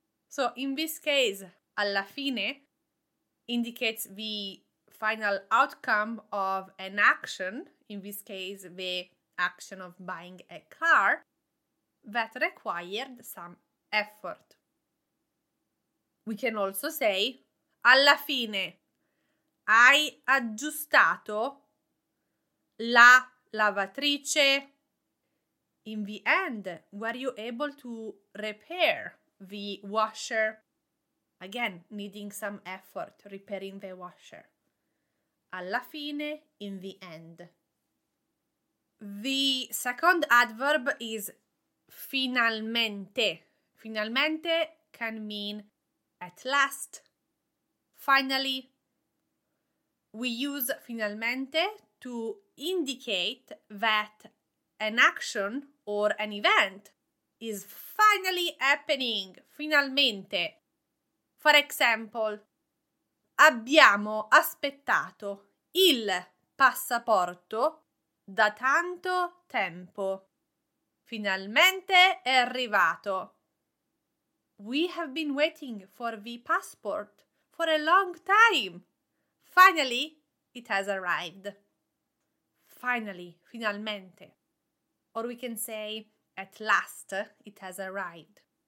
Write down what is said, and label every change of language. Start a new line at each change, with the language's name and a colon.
English: So in this case, alla fine indicates the final outcome of an action, in this case the action of buying a car, that required some effort. We can also say,
Italian: alla fine hai aggiustato la lavatrice.
English: In the end, were you able to repair the washer? Again, needing some effort, repairing the washer. Alla fine, in the end. The second adverb is finalmente. Finalmente can mean at last, finally. We use finalmente to indicate that an action or an event is finally happening, finalmente. For example,
Italian: abbiamo aspettato il passaporto da tanto tempo. Finalmente è arrivato.
English: We have been waiting for the passport for a long time. Finally, it has arrived. Finally, finalmente. Or we can say, at last, it has arrived.